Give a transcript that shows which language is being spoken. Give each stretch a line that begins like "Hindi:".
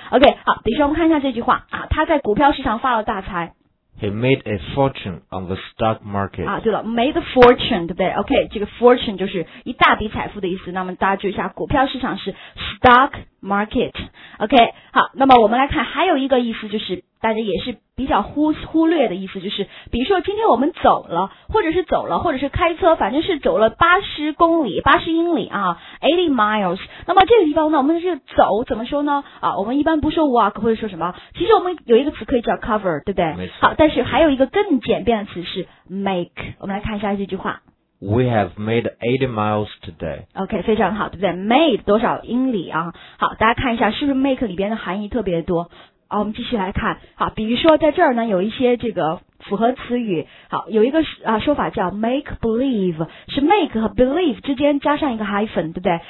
Chinese: OK， 好，比如说我们看一下这句话他在股票市场发了大财。
English: He made a fortune on the stock market.
Chinese: 对了 ，made a fortune， 对不对 ？OK， 这个 fortune 就是一大笔财富的意思。那么大家注意一下，股票市场是 stock market。 OK， 好，那么我们来看还有一个意思，就是大家也是比较忽略的意思，就是比如说今天我们走了，或者是走了，或者是开车，反正是走了80英里80 miles。那么这个地方呢，我们是走怎么说呢我们一般不说 walk 或者说什么，其实我们有一个词可以叫 cover， 对不对？好，但是还有一个更简便的词是 make， 我们来看一下这句话。
English: We have made 80 miles today.
Chinese: OK， 非常好，对不对？ made 多少英里好，大家看一下是不是 make 里边的含义特别多。好，我们继续来看。好，比如说在这儿呢有一些这个复合词语。好，有一个说法叫 make believe， 是 make 和 believe 之间加上一个 hyphen， 对不对？